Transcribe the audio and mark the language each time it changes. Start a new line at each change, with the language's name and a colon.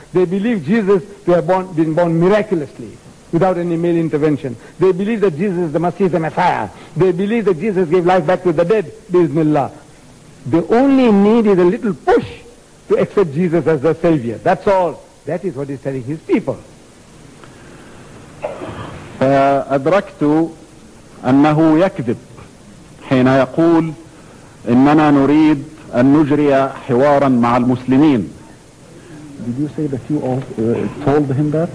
English: They believe Jesus to have been born miraculously, without any male intervention. They believe that Jesus is the Messiah, the Messiah. They believe that Jesus gave life back to the dead, Bismillah. They only need is a little push to accept Jesus as their Savior. That's all. That is what he's telling his people.
Arabic: فأدركت أنه يكذب حين يقول إننا نريد أن نجري حوارا مع المسلمين.
English: Did you say that you all told him that?